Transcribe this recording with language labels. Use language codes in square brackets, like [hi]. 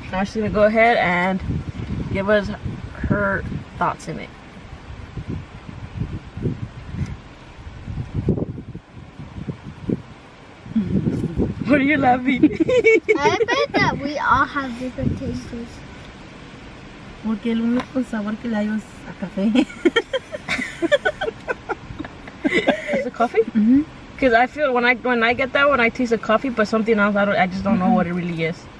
[en] Now she's gonna go ahead and give us her thoughts in it. What are you laughing? I bet that we all have different tastes. [es] Porque el único sabor que le hago es a café. [en] Is it coffee? Mm-hmm. Cause I feel when I get that one, I taste a coffee, but something else, I just don't know what it really is.